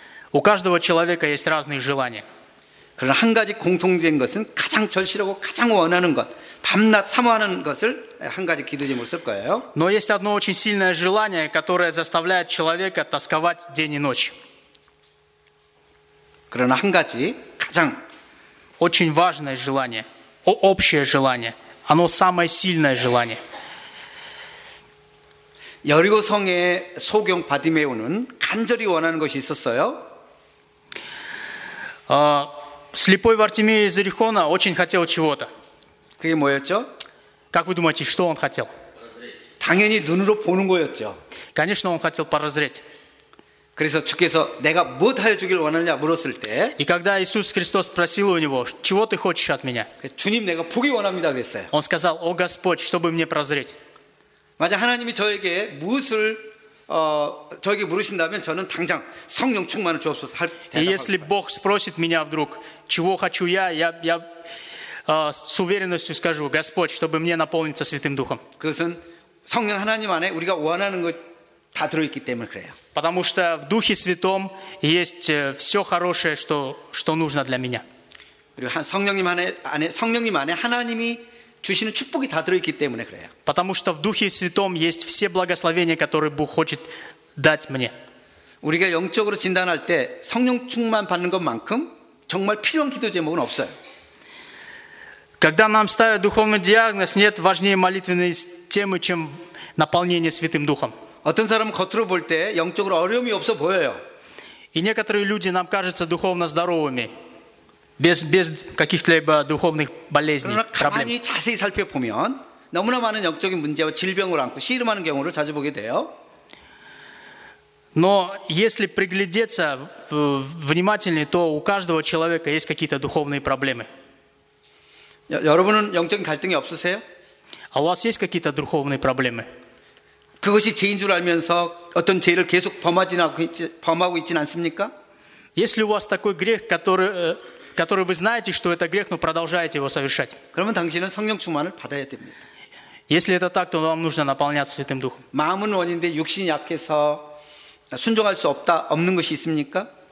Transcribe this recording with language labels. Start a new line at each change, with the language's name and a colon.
Russian: У каждого человека есть разные желания.
Korean: 그러나 한 가지 공통적인 것은 가장 절실하고 가장 원하는 것, 밤낮 사모하는 것을 한 가지 기도 제목을 쓸 거예요.
Russian: Но есть одно очень сильное желание, которое заставляет человека тосковать день и ночь.
Korean: 그러나 한 가지 가장
Russian: очень важное желание, общее желание, оно самое сильное желание.
Korean: 여리고 성의 소경 바디메오는 간절히 원하는 것이 있었어요.
Russian: Слепой Вартимей из Иерихона очень хотел чего-то.
Korean: 그게 뭐였죠?
Russian: Как вы думаете, что он хотел?
Korean: 당연히 눈으로 보는 거였죠.
Russian: Конечно, он хотел прозреть.
Korean: 그래서 주께서 내가 무엇하여 주길 원하느냐 물었을 때.
Russian: И когда Иисус Христос спросил у него, чего ты хочешь от меня?
Korean: 주님, 내가 복이 원합니다, 그랬어요.
Russian: Он сказал, о Господь, чтобы мне прозреть.
Korean: 맞아, 하나님이 저에게 무엇을 저에게 물으신다면 저는 당장 성령 충만을 주옵소서 할 대답.
Russian: Если Бог спросит меня вдруг, чего хочу я с уверенностью скажу, Господь, чтобы мне наполниться Святым Духом.
Korean: 그것은 성령 하나님 안에 우리가 원하는 것 다 들어있기 때문에 그래요.
Russian: Потому что в Духе Святом есть все хорошее, что нужно для меня.
Korean: 그리고 성령님 안에 하나님이 주시는 축복이 다 들어있기 때문에 그래요.
Russian: Потому что в Духе Святом есть все благословения, которые Бог хочет дать мне.
Korean: 우리가 영적으로 진단할 때 성령 충만 받는 것만큼 정말 필요한 기도 제목은 없어요.
Russian: Когда нам ставят духовный диагноз, нет важнее молитвенной темы, чем наполнение Святым Духом.
Korean: 어떤 사람은 겉으로 볼 때 영적으로 어려움이 없어 보여요.
Russian: И некоторые люди нам кажутся духовно здоровыми. Без каких-либо духовных болезней,
Korean: 그러나 가만히
Russian: проблем.
Korean: 자세히 살펴보면 너무나 많은 영적인 문제와 질병을 안고 씨름하는 경우를 자주 보게 돼요.
Russian: Но если приглядеться внимательнее, то у каждого человека есть какие-то духовные проблемы.
Korean: 여러분은 영적인 갈등이 없으세요?
Russian: А у вас есть какие-то духовные проблемы?
Korean: 그것이 죄인 줄 알면서 어떤 죄를 계속 범하고 있지는 않습니까?
Russian: Если у вас такой грех, который вы знаете, что это грех, но продолжаете его совершать.
Korean: 그러면 당신은 성령 충만을 받아야 됩니다.
Russian: Если это так, то вам нужно наполняться Святым Духом.
Korean: 마음은 원인데 육신이 약해서 순종할 수 없다, 없는 것이 있습니까?